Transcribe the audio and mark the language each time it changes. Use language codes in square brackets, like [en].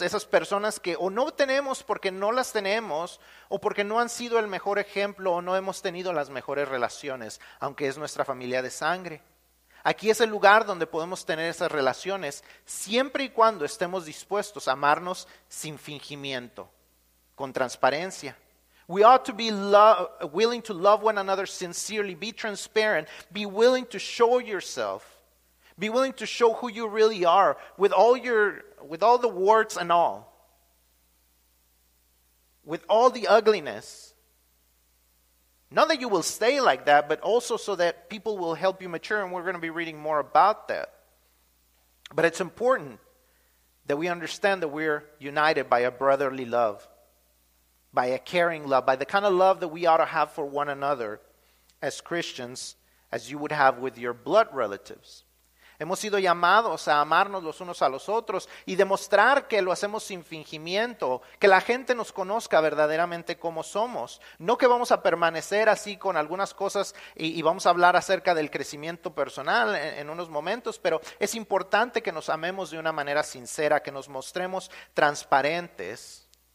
[es] Esas personas que o no tenemos porque no las tenemos o porque no han sido el mejor ejemplo o no hemos tenido las mejores relaciones, aunque es nuestra familia de sangre. Aquí es el lugar donde podemos tener esas relaciones siempre y cuando estemos dispuestos a amarnos sin fingimiento, con transparencia. [en] We ought to be willing to love one another sincerely. Be transparent. Be willing to show yourself. Be willing to show who you really are with all the warts and all. With all the ugliness. Not that you will stay like that, but also so that people will help you mature. And we're going to be reading more about that. But it's important that we understand that we're united by a brotherly love. By a caring love, by the kind of love that we ought to have for one another as Christians, as you would have with your blood relatives. [es] Hemos sido llamados a amarnos los unos a los otros y demostrar que lo hacemos sin fingimiento, que la gente nos conozca verdaderamente como somos. No que vamos a permanecer así con algunas cosas y vamos a hablar acerca del crecimiento personal en unos momentos, pero es importante que nos amemos de una manera sincera, que nos mostremos transparentes.